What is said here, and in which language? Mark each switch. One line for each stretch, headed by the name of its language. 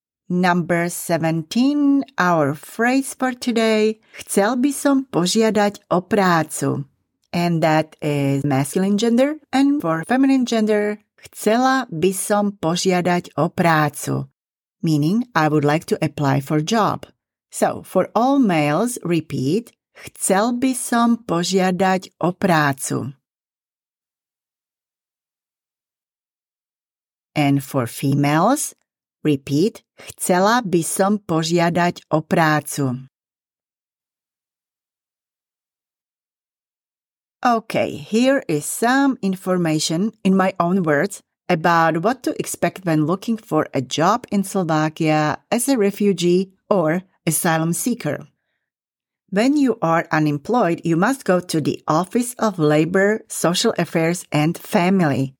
English: Number 17, our phrase for today.
Slovak: Chcel by som požiadať o prácu.
English: And that is masculine gender. And for feminine gender,
Slovak: chcela by som požiadať o prácu.
English: Meaning, I would like to apply for job. So, for all males, repeat.
Slovak: Chcel by som požiadať o prácu.
English: And for females, repeat.
Slovak: Chcela by som požiadať o prácu.
English: Okay, here is some information in my own words about what to expect when looking for a job in Slovakia as a refugee or asylum seeker. When you are unemployed, you must go to the Office of Labor, Social Affairs and Family.